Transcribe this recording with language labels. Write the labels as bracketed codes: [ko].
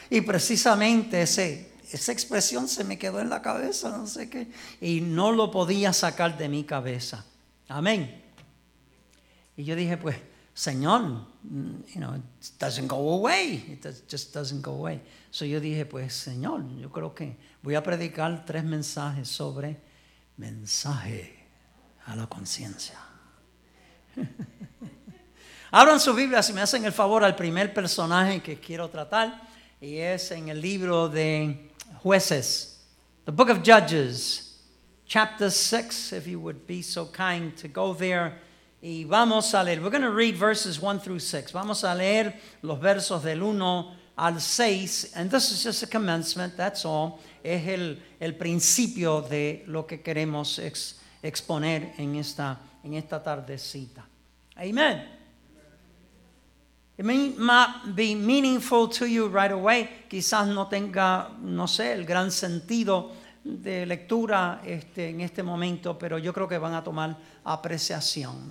[es] Y precisamente esa expresión se me quedó en la cabeza, no sé qué. Y no lo podía sacar de mi cabeza. Amén. Y yo dije, pues, Señor, [en] you know, it doesn't go away. It just doesn't go away. [es] So yo dije, pues, Señor, yo creo que voy a predicar tres mensajes sobre mensaje a la conciencia. Abran su Biblia, si me hacen el favor, al primer personaje que quiero tratar, y es en el libro de Jueces, [en] the book of Judges, chapter 6, if you would be so kind to go there. [es] Y vamos a leer, [en] we're going to read verses 1 through 6. [es] Vamos a leer los versos del 1 al 6, [en] and this is just a commencement, that's all. [es] Es el principio de lo que queremos exponer en esta tardecita. Amen. [en] It may not be meaningful to you right away. [es] Quizás no tenga, no sé, el gran sentido de lectura en este momento, pero yo creo que van a tomar apreciación.